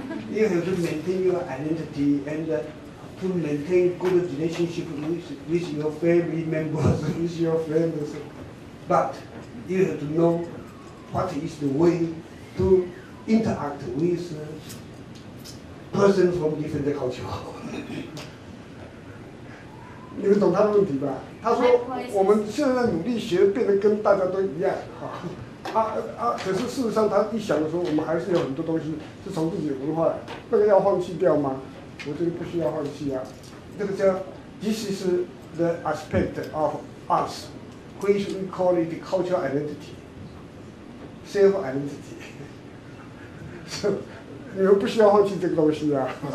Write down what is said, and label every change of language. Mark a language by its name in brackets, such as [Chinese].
[English] You have to maintain your identity and to maintain good relationship with your family members, with your friends. But you have to know what is the way to interact with persons from different cultures. [Chinese] 你们懂他的问题吧？他说我们现在努力学，变得跟大家都一样，可是事实上他一想的时候，我们还是有很多东西是从自己文化来，那个要放弃掉吗？我这个不需要放弃啊。这个叫 [English] This is the aspect of us, which we call it cultural identity, self identity. [Chinese] 你们不需要放弃这个东西啊。